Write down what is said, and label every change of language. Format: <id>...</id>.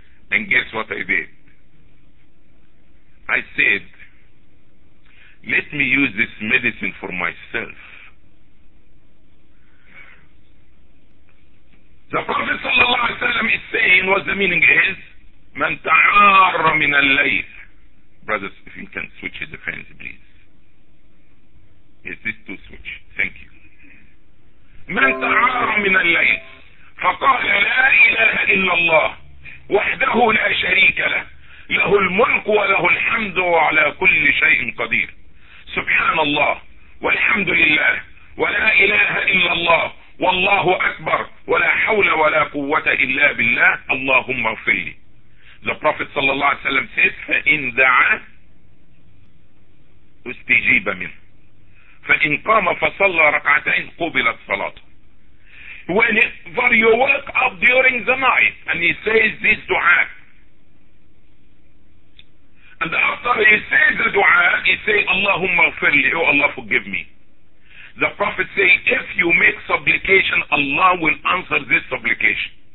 <en>And guess what I did? I said, let me use this medicine for myself. The Prophet sallallahu alaihi wasallam is saying, what the meaning is, man ta'arra min al-layl. Brothers, if you can switch the fans, please. Is this to switch? Thank you.</en> <ar>من تعار من الليل فقال لا إله إلا الله وحده لا شريك له له الملك وله الحمد وعلى كل شيء قدير سبحان الله والحمد لله ولا إله إلا الله والله أكبر ولا حول ولا قوة إلا بالله اللهم اغفر لي.</ar> <en>The Prophet صلى الله عليه وسلم says,</en> <ar>فإن دعا استجيب منه فإن قام فصلى ركعتين قبلت صلاته.</ar> <en>Whenever you wake up during the night and he says this dua, and after he says the dua, he says, Allahumma ghfir li, oh Allah forgive me. The Prophet says, if you make supplication, Allah will answer this supplication.</en>